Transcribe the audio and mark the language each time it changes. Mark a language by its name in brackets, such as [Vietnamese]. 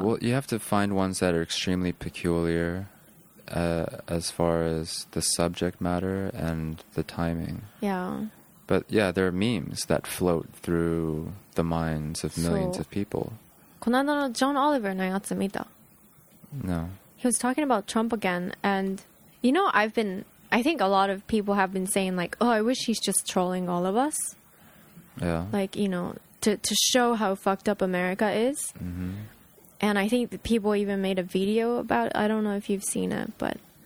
[English] Yeah, well, you have to find ones that are extremely peculiar, as far as the subject matter and the timing. Yeah. But yeah, there are memes that float through the minds of millions of people. [Japanese] この間のジョン・オリバーのやつ見た？ [English] No. He was talking about Trump again, and you know, I think a lot of people have been saying like, oh, I wish he's just trolling all of us. Yeah. Like, you know, to show how fucked up America is. Mm-hmm. And I think people even made a video about it. I don't know if you've seen it, but...